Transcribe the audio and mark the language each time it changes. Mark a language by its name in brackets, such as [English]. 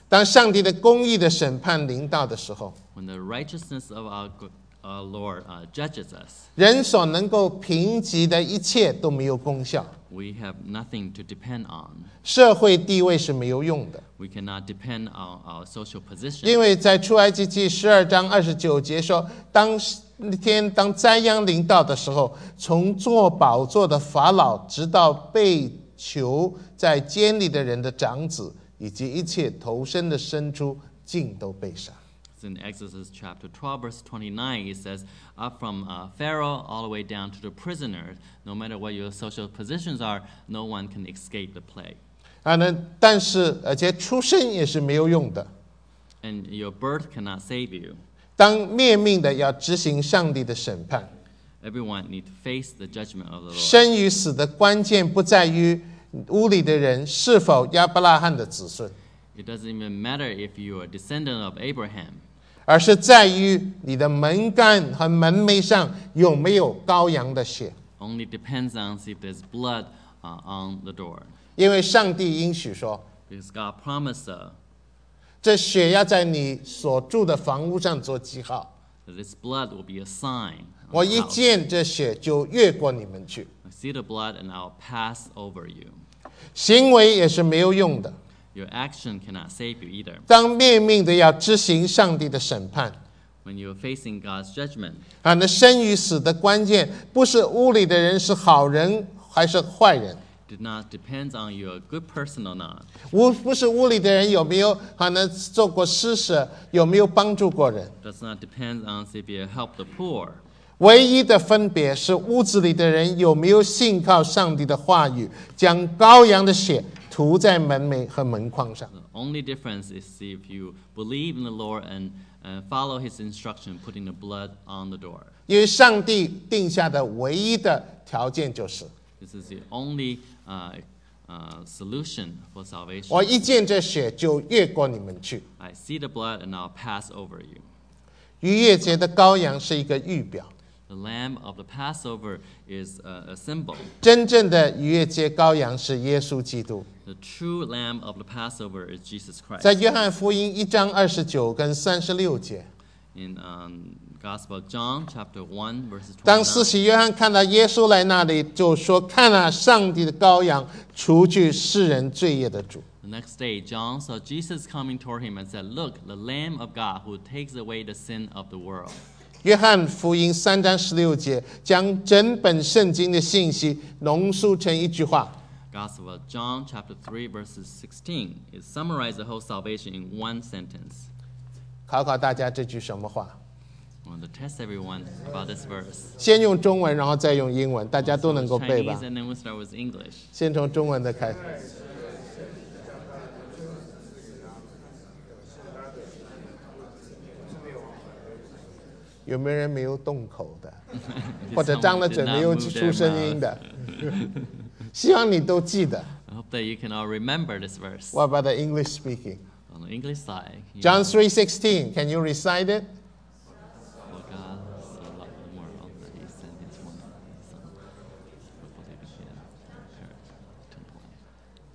[Chinese] 当上帝的公义的审判临到的时候， [English] when the righteousness of our Lord judges us, [Chinese] 人所能够凭藉的一切都没有功效。 [English] We have nothing to depend on. [Chinese] 社会地位是没有用的。 [English] We cannot depend on our social position. [Chinese] 因为在出埃及记十二章二十九节说，当天当灾殃临到的时候，从坐宝座的法老，直到被囚在监里的人的长子，以及一切投身的牲畜，尽都被杀。 [English] In Exodus chapter 12, verse 29, it says, up from Pharaoh all the way down to the prisoners, no matter what your social positions are, no one can escape the plague. [Chinese] 但是而且出生也是没有用的。 [English] And your birth cannot save you. [Chinese] 当灭命的要执行上帝的审判。 [English] Everyone needs to face the judgment of the Lord. [Chinese] 生与死的关键不在于屋里的人是否亚伯拉罕的子孙。 [English] It doesn't even matter if you are a descendant of Abraham. [Chinese] 而是在于你的门杆和门楣上有没有羔羊的血。 [English] Only depends on if there's blood on the door. [Chinese] 因为上帝应许说， [English] Because God promised, [Chinese] 这血要在你所住的房屋上做记号。 [English] This blood will be a sign. [Chinese] 我一见这血就越过你们去。 [English] I see the blood and I'll pass over you. [Chinese] 行为也是没有用的。 [English] Your action cannot save you either. [Chinese] 当灭命的要执行上帝的审判。 [English] When you're facing God's judgment. [Chinese] 那生与死的关键不是屋里的人是好人还是坏人。 [English] Did not depend on you're a good person or not. [Chinese] 不是屋里的人有没有做过施舍，有没有帮助过人。 [English] Does not depend on if you help the poor. [Chinese] 唯一的分别是屋子里的人有没有信靠上帝的话语，将羔羊的血涂在门楣和门框上。 [English] The only difference is if you believe in the Lord and follow His instruction, putting the blood on the door. [Chinese] 因为上帝定下的唯一的条件就是。 [English] This is the only solution for salvation. [Chinese] 我一见这血就越过你们去。 [English] I see the blood and I'll pass over you. [Chinese] 逾越节的羔羊是一个预表。 [English] The lamb of the Passover is a symbol. [Chinese] 真正的逾越节羔羊是耶稣基督。 [English] The true lamb of the Passover is Jesus Christ. [Chinese] 在约翰福音一章二十九跟三十六节。 [English] In Gospel John chapter 1 verses 29. [Chinese] 当司洗约翰看到耶稣来那里，就说：“看啊，上帝的羔羊，除去世人罪业的主。” [English] The next day, John saw Jesus coming toward him and said, "Look, the Lamb of God who takes away the sin of the world." [Chinese] 约翰福音三章十六节将整本圣经的信息浓缩成一句话。 [English] Gospel John chapter 3 verses 16 it summarizes the whole salvation in one sentence. [Chinese] 考考大家这句什么话？ [English] I want to test everyone about this verse. [Chinese] 先用中文，然后再用英文，大家都能够背吧。 [English] Chinese and then we'll start with English. [Chinese] 先从中文的开始。有没有人没有动口的，或者张了嘴没有出声音的？希望你都记得。 [English] I hope that you can all remember this verse. What about the English speaking? On the English side, John 3:16, can you recite it? For God so loved the world that He sent His one Son, before they began to perish.